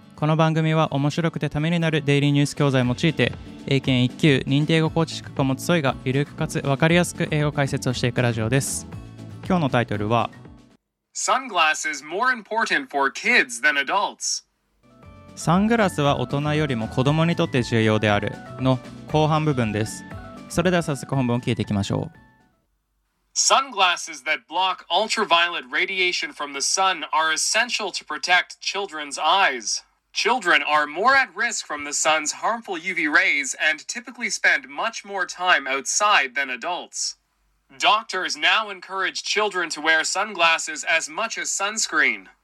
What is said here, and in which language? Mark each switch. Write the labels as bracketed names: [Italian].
[Japanese] この番組は面白くてためになるデイリーニュース教材を用いて英検1級認定語コーチ資格を持つソイがゆるくかつ分かりやすく英語解説をしていくラジオです。今日のタイトルは [English] Sunglasses more important for kids than adults. [Japanese] サングラスは大人よりも子供にとって重要であるの後半部分です。それでは早速本文を聞いていきましょう。 [English] Sunglasses that block ultraviolet radiation from the sun are essential to protect children's eyes. Children are more at risk from the sun's harmful UV rays and typically spend much more time outside than adults. Doctors now encourage children to wear sunglasses as much as sunscreen.